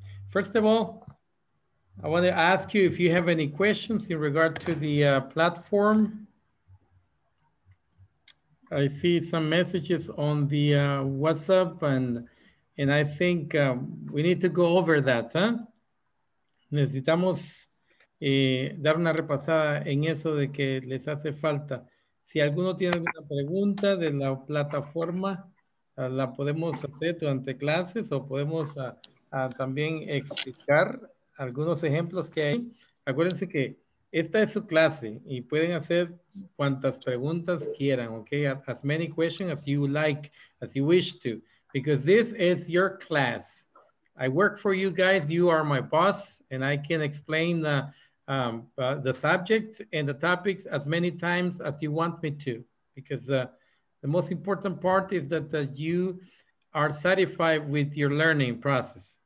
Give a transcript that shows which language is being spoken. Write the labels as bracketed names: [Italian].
[English] First of all, I want to ask you if you have any questions in regard to the platform. I see some messages on the WhatsApp, and I think we need to go over that. [Spanish] Necesitamos dar una repasada en eso de que les hace falta. Si alguno tiene alguna pregunta de la plataforma, la podemos hacer durante clases o podemos también explicar algunos ejemplos que hay. Acuérdense que esta es su clase y pueden hacer cuantas preguntas quieran, okay? [English] As many questions as you like, as you wish to, because this is your class. I work for you guys, you are my boss, and I can explain the subjects and the topics as many times as you want me to, because the most important part is that you are satisfied with your learning process.